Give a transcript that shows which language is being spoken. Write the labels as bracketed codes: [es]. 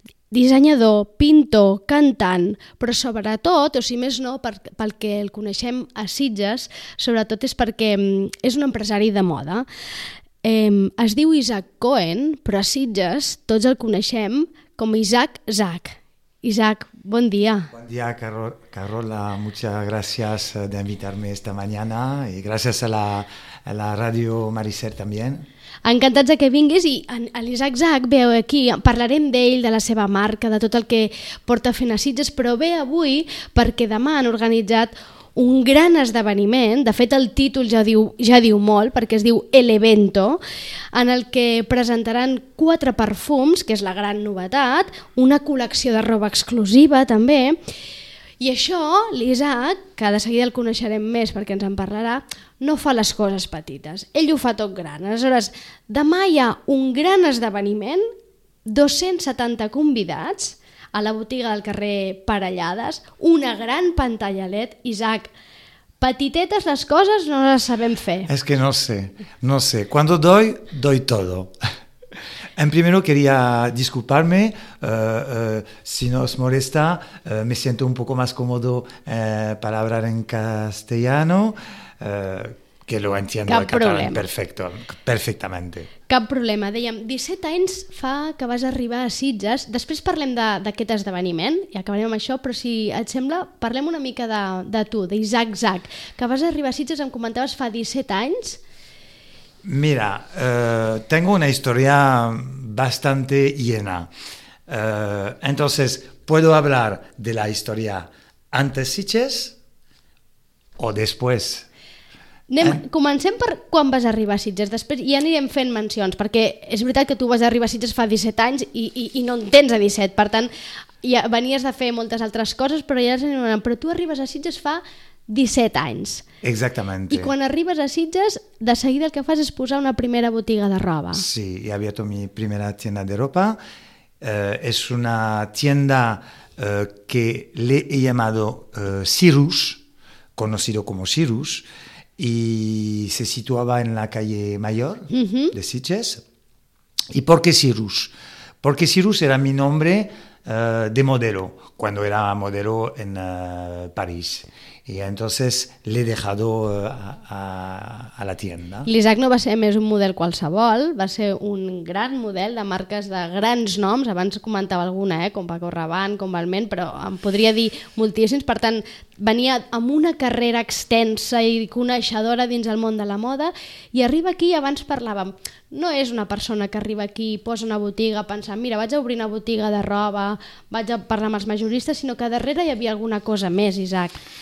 [ca] Dissenyador, pintor, cantant, però sobretot, o si més no, pel que el coneixem a Sitges, sobretot és perquè és un empresari de moda. Es diu Isaac Cohen, però a Sitges tots el coneixem com Isaac Zac. Isaac, bon dia. Bon dia, Carola. [es] Muchas gracias de invitarme esta mañana y gracias a la Radio Maricel también. [ca] Encantats que vinguis i a l'Isaac Zac veu aquí. Parlarem d'ell, de la seva marca, de tot el que porta fent a Sitges, però ve avui perquè demà han organitzat un gran esdeveniment, de fet el títol ja diu molt, perquè es diu El Evento, en el que presentaran 4 perfums, que és la gran novetat, una col·lecció de roba exclusiva també, i això l'Isaac, que de seguida el coneixerem més perquè ens en parlarà, no fa les coses petites, ell ho fa tot gran. Aleshores, demà hi ha un gran esdeveniment, 270 convidats, a la botiga del carrer Parellades, una gran pantalla LED. Isaac, petitetes les coses no les sabem fer. [es] Es que no sé. Cuando doy todo. En primero quería disculparme, si nos molesta, me siento un poco más cómodo para hablar en castellano, que lo entiendo en catalán perfectamente. [ca] Cap problema. Dèiem, 17 anys fa que vas arribar a Sitges. Després parlem d'aquest esdeveniment i acabarem amb això, però si et sembla, parlem una mica de tu, d'Isaac Zac, que vas arribar a Sitges, em comentaves, fa 17 anys. [es] Mira, tengo una historia bastante llena. Entonces, ¿puedo hablar de la historia antes Sitges o después? [ca] Comencem per quan vas arribar a Sitges, després ja anirem fent mencions, perquè és veritat que tu vas arribar a Sitges fa 17 anys i no en tens a 17, per tant, ja venies de fer moltes altres coses, però ja anirem anant. Però tu arribes a Sitges fa 17 anys. Exactament. I quan arribes a Sitges, de seguida el que fas és posar una primera botiga de roba. [es] Sí, he abierto mi primera tienda de ropa. Es una tienda que le he llamado Cyrus, conocido como Cyrus, y se situaba en la calle Mayor de Sitges. ¿Y por qué Cyrus? Porque Cyrus era mi nombre de modelo, cuando era modelo en París. Y entonces le he dejado a la tienda. [ca] L'Isaac no va ser més un model qualsevol, va ser un gran model de marques de grans noms. Abans comentava alguna, com Paco Rabanne, com Balmain, però em podria dir moltíssims. Per tant, venia amb una carrera extensa i coneixedora dins el món de la moda i arriba aquí, abans parlàvem, no és una persona que arriba aquí i posa una botiga pensant, mira, vaig a obrir una botiga de roba, vaig a parlar amb els majoristes, sinó que darrere hi havia alguna cosa més, Isaac.